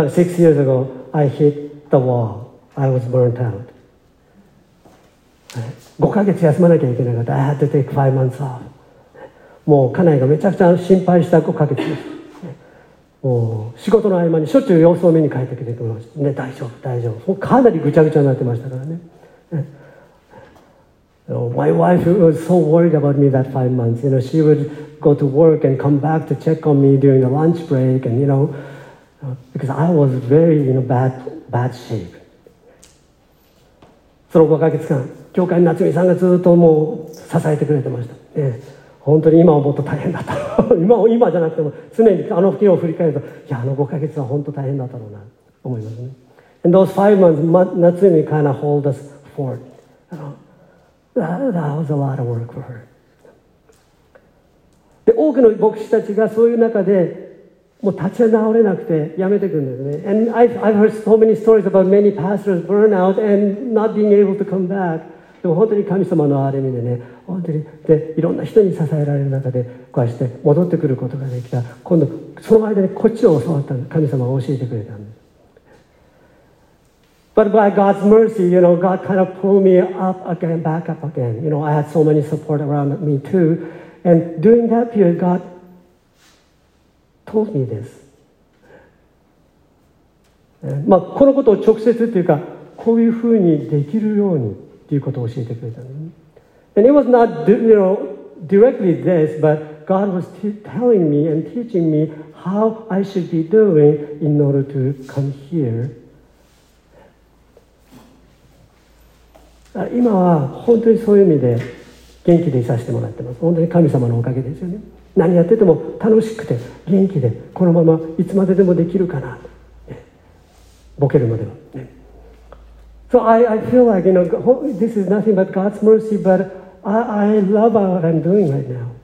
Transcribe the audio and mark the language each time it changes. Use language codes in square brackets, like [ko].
[en] But 6 years ago, I hit the wall. I was burnt out.、 [ja] ね、5ヶ月休まなきゃいけなかった。 [en] I had to take 5 months off. [ja] もう家内がめちゃくちゃ心配した5ヶ月です、ね、もう仕事の合間にしょっちゅう様子を見に帰ってきてくれました。ね、大丈夫、大丈夫。かなりぐちゃぐちゃになってましたからね。 [en] My wife was so worried about me that 5 months. You know, she would go to work and come back to check on me during the lunch break, and you know, because I was very, you know, bad shape. [ja] その5ヶ月間、教会の夏美さんがずっともう支えてくれてました。ね、本当に今思うと大変だった。今じゃなくても常にあの日を振り返ると、いやあの5ヶ月は本当大変だったろうなと思いますね。 [en] And those 5 months, 夏美 kind of hold us fort. You know. That was a lot of work for her. [ja] で、多くの牧師たちがそういう中でもう立ち直れなくてやめてくるんですね。 [en] And I've heard so many stories about many pastors burn out and not being able to come back. [ja] でも本当に神様の憐れみでね、本当にでいろんな人に支えられる中でこうして戻ってくることができた。今度その間にこっちを教わったんです。神様が教えてくれたんです。 [en] But by God's mercy, you know, God kind of pulled me up again, back up again. You know, I had so many support around me too. And during that period, God told me this. [ja] まあ、このことを直接っていうか、こういうふうにできるようにっていうことを教えてくれた。 [en] And it was not, you know, directly this, but God was telling me and teaching me how I should be doing in order to come here. [ja] 今は本当にそういう意味で元気でいさせてもらってます。本当に神様のおかげですよね。何やってても楽しくて元気でこのままいつまででもできるかな、ね、ボケるまでは、ね、 [en] So I feel like you know, this is nothing but God's mercy, but I love what I'm doing right now.